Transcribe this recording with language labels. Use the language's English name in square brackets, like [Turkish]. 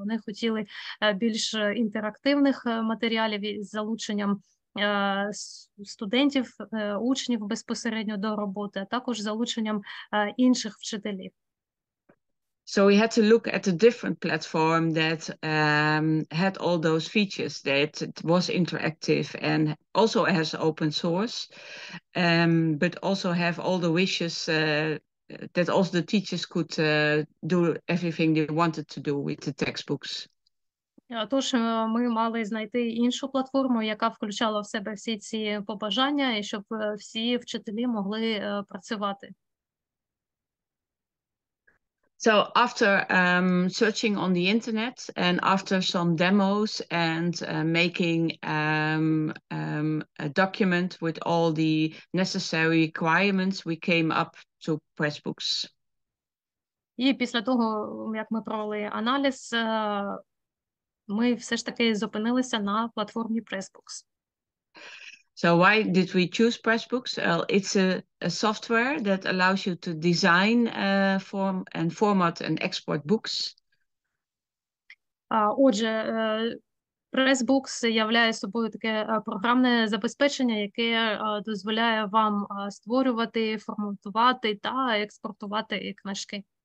[Ukrainian] Вони хотіли більш інтерактивних матеріалів із залученням студентів, учнів безпосередньо до роботи, а також залученням інших вчителів. [English] So we had to look at a different platform that had all those features, that it was interactive and also has open source, but also have all the wishes that also the teachers could do everything they wanted to do with the textbooks. [Ukrainian] Тож ми мали знайти іншу платформу, яка включала в себе всі ці побажання, і щоб всі вчителі могли працювати. [English] So after searching on the internet and after some demos and making a document with all the necessary requirements, we came up to Pressbooks. [Ukrainian] І після того, як ми провели аналіз, ми все ж таки зупинилися на платформі Pressbooks. [English] So why did we choose Pressbooks? Well, it's a software that allows you to design form and format and export books. [Ukrainian] Отже, Pressbooks являє собою таке програмне забезпечення, яке дозволяє вам створювати, форматувати та експортувати книжки.